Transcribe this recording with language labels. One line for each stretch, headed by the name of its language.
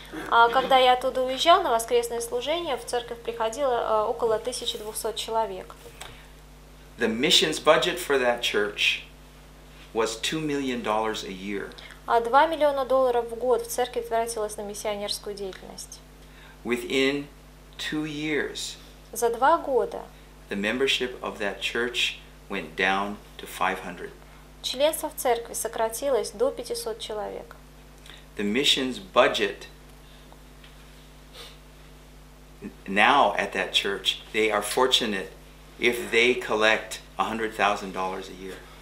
Russian: Когда я оттуда уезжал на воскресное служение, в церковь приходило около 1200 человек.
English: The missions budget for that church was $2 million a year.
Russian: $2 million в год в церкви тратилось на миссионерскую деятельность.
English: Within 2 years.
Russian: За 2 года.
English: The membership of that church went down to 500.
Russian: Членство в церкви сократилось до 500 человек.
English: The missions budget now at that church, they are fortunate if they collect $100,000 a year.